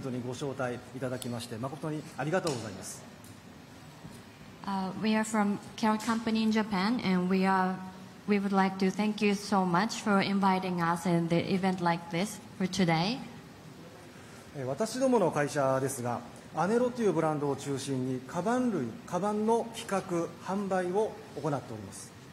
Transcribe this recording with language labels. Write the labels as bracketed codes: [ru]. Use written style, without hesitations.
[ja] はい、先ほどご紹介いたまわりましたキャロットカンパニーの三浦と申します。本日はこのような素晴らしいイベントにご招待いただきまして誠にありがとうございます。 [en] We are from Carrot Company in Japan and we would like to thank you so much for inviting us in the event like this for today. [ja] 私どもの会社ですが、アネロというブランドを中心にカバン類、カバンの企画、販売を行っております。